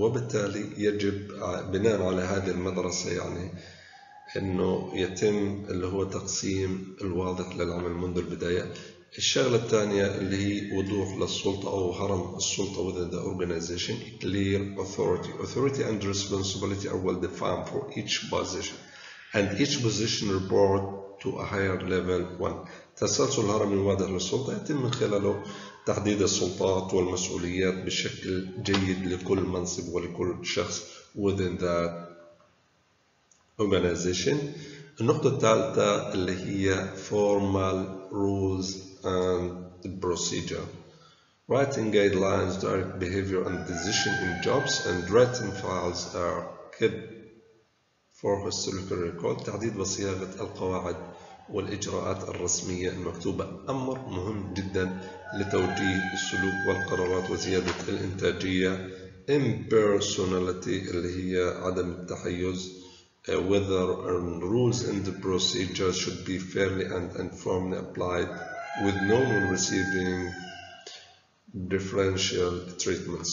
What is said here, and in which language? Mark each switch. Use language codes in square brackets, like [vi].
[ar] وبالتالي يجب بناء على هذه المدرسة يعني إنه يتم اللي هو تقسيم الواضح للعمل منذ البداية. الشغلة الثانية اللي هي وضوح للسلطة أو هرم السلطة [en] within the organization. clear authority. authority and responsibility are well defined for each position and each position report to a higher level one. [ar] تسلسل هرمي واضح للسلطة يتم من خلاله تحديد السلطات والمسؤوليات بشكل جيد لكل منصب ولكل شخص [en] within that organization. النقطة الثالثة اللي هي formal rules and the procedure. Writing guidelines direct behavior and decision in jobs and writing files are key for historical record. [ar] تحديد وصياغة القواعد والإجراءات الرسمية المكتوبة أمر مهم جدا لتوجيه السلوك والقرارات وزيادة الإنتاجية. Impersonality اللي هي عدم التحيز. [en] Whether and rules and the procedures should be fairly and firmly applied with no one receiving differential treatment.